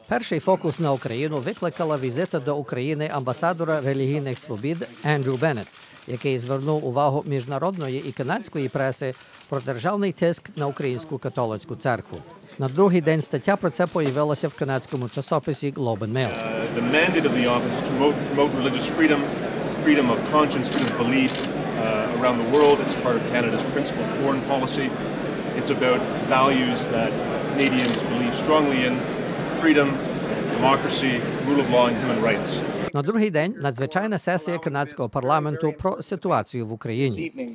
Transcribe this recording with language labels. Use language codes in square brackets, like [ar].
[uk] Перший фокус на Україну викликала візита до України амбасадора релігійних свобід Ендрю Беннет, який звернув увагу міжнародної і канадської преси про державний тиск на українську католицьку церкву. На другий день стаття про це появилася в канадському часописі Globe and Mail. [en] The mandate of the office is to promote religious freedom, freedom of conscience, freedom of belief around the world. It's part of Canada's principal foreign policy. It's about values that Canadians believe strongly in: freedom, democracy, rule of law and human rights. [uk] На другий день – надзвичайна сесія канадського парламенту про ситуацію в Україні.